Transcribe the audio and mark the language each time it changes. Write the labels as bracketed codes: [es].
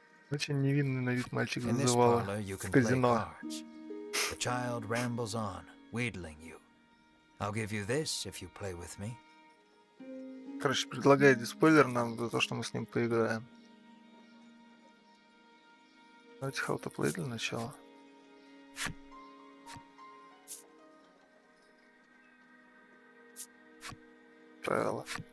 [ru] Очень невинный на вид мальчик вызывал казино. [en] The child rambles on, wheedling you. I'll give you this if you play with me. [ru] Короче, предлагает диспойлер нам за то, что мы с ним поиграем. Давайте [en] how to play [ru] для начала. Правило.